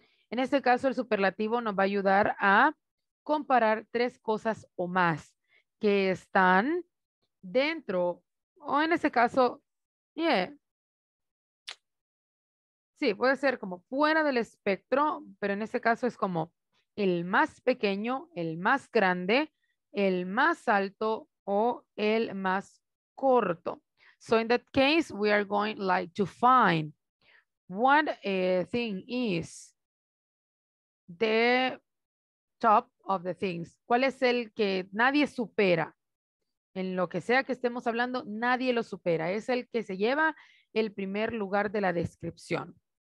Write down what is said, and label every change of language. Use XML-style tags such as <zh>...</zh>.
<es>En este caso, el superlativo nos va a ayudar a comparar tres cosas o más que están dentro, o en este caso, yeah. Sí, puede ser como fuera del espectro, pero en este caso es como el más pequeño, el más grande, el más alto o el más corto.</es> <en>So in that case, we are going like to find what a thing is the top of the things.</en> <es>¿Cuál es el que nadie supera? En lo que sea que estemos hablando, nadie lo supera. Es el que se lleva el primer lugar de la descripción.</es>